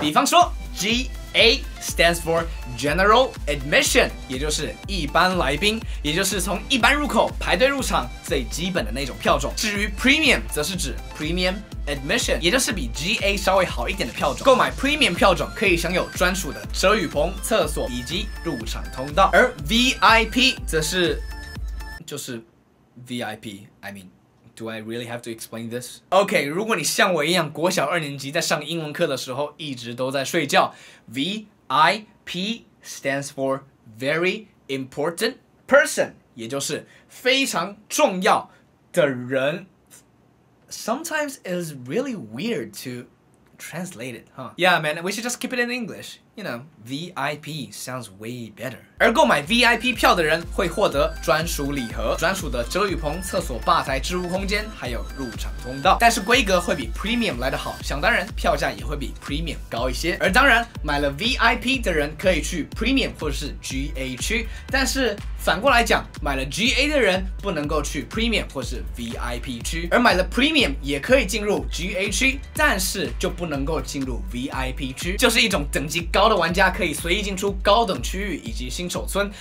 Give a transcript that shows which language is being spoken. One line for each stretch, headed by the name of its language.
Chinese: 比方说
English: GA stands for General Admission，
Chinese: 也就是一般来宾，也就是从一般入口排队入场最基本的那种票种。至于 Premium 则是指 PremiumAdmission， 也就是比 GA 稍微好一点的票种。购买 Premium 票种可以享有专属的遮雨棚、厕所以及入场通道，而 VIP 则是就是 VIP。
English: I mean， do I really have to explain this？
Chinese: OK， 如果你像我一样国小二年级在上英文课的时候一直都在睡觉，
English: VIP stands for Very Important Person，
Chinese: 也就是非常重要的人。
English: Sometimes it's really weird to translate it, huh? Yeah, man, we should just keep it in English. You know, VIP sounds way better.
Chinese: 而购买 VIP 票的人会获得专属礼盒、专属的遮雨棚、厕所、吧台、置物空间，还有入场通道。但是规格会比 Premium 来得好，想当然，票价也会比 Premium 高一些。而当然，买了 VIP 的人可以去 Premium 或是 GA 区，但是反过来讲，买了 GA 的人不能够去 Premium 或是 VIP 区，而买了 Premium 也可以进入 GA 区，但是就不能够进入 VIP 区，就是一种等级高的玩家可以随意进出高等区域以及新手村，